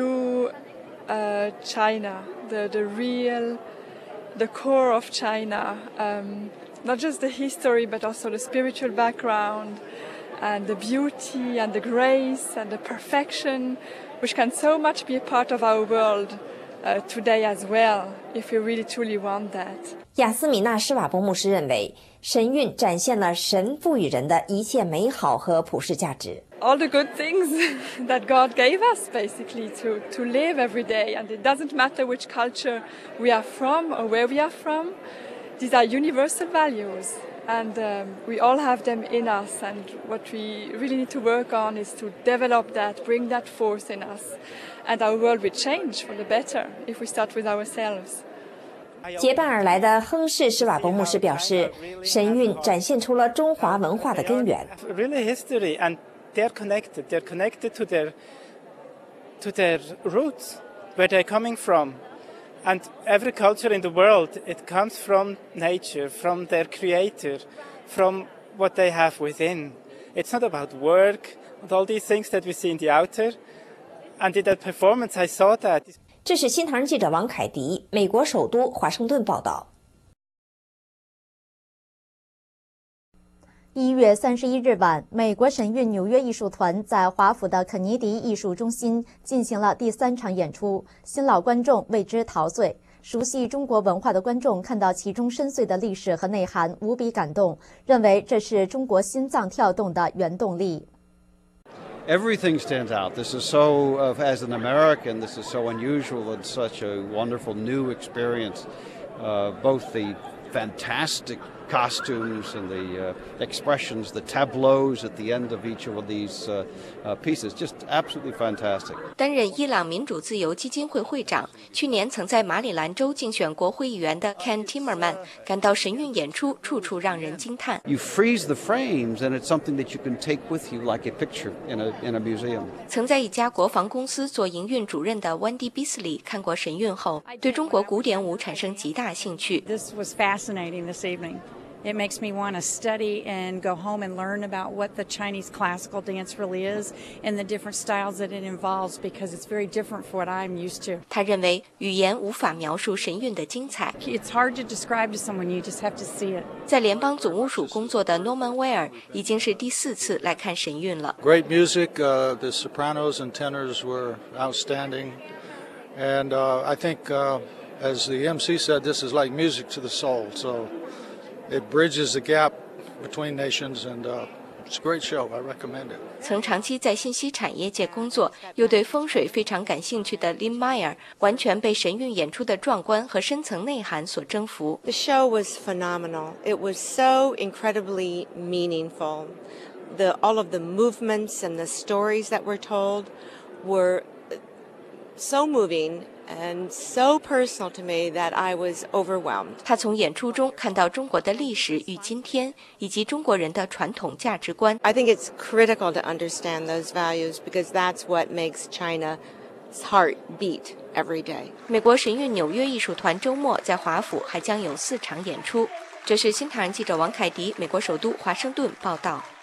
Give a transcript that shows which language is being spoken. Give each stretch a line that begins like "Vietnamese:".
English: It showed to me the truechina, the real, the core of China, not just the history, but also the spiritual background, and the beauty, and the grace, and the perfection, which can so much be a part of our world today as well, if we really truly want that.
Chinese: 亚斯米娜·施瓦伯牧师认为，神韵展现了神赋予人的一切美好和普世价值。
English: All the good things that God gave us, basically, to live every day. And it doesn't matter which culture we are from or where we are from. These are universal values. And we all have them in us. And what we really need to work on is to develop that, bring that forth in us. And our world will change for the better if we start with ourselves.
Chinese: 结伴而来的亨氏施瓦伯牧师表示，神韵展现出了中华文化的根源。
English: Really history, and they're connected to their roots, where they're coming from. And every culture in the world, it comes from nature, from their creator, from what they have within. It's not about work and all these things that we see in the outer. And in that performance, I saw that.
Chinese: 这是新唐人记者王凯迪，美国首都华盛顿报道。 1月31日晚，美国神韵纽约艺术团在华府的肯尼迪艺术中心进行了第三场演出，新老观众为之陶醉。熟悉中国文化的观众看到其中深邃的历史和内涵，无比感动，认为这是中国心脏跳动的原动力。
English: Everything stands out. This is so, as an American, this is so unusual and such a wonderful new experience. Both the fantastic costumes and the expressions, the tableaus at the end of each of these pieces, just absolutely fantastic.
Chinese: 担任伊朗民主自由基金会会长，去年曾在马里兰州竞选国会议员的 Ken Timmerman 感到神韵演出处处让人惊叹。
English: You freeze the frames, and it's something that you can take with you like a picture in a museum.
Chinese: 曾在一家国防公司做营运主任的 Wendy Beasley 看过神韵后，对中国古典舞产生极大兴趣。
English: This was fascinating this evening. It makes me want to study and go home and learn about what the Chinese classical dance really is and the different styles that it involves because it's very different from what I'm used to.
Chinese: 他认为语言无法描述神韵的精彩。
English: It's hard to describe to someone, you just have to see it.
Chinese: 在联邦总务署工作的 Norman Ware 已经是第四次来看神韵了。
English: Great music, the sopranos and tenors were outstanding. And I think as the MC said, this is like music to the soul. So it bridges the gap between nations and it's a great show. I recommend it.
Chinese: 曾长期在信息产业界工作，又对风水非常感兴趣的 Lynn Meyer， 完全被神韵演出的壮观和深层内涵所征服。
English: The show was phenomenal. It was so incredibly meaningful. All of the movements and the stories that were told were so moving and so personal to me that I was overwhelmed.
Chinese: 他从演出中看到中国的历史与今天，以及中国人的传统价值观。
English: I think it's critical to understand those values because that's what makes China's heart beat every day.
Chinese: 美国神韵纽约艺术团周末在华府还将有四场演出。这是新唐人记者王凯迪，美国首都华盛顿报道。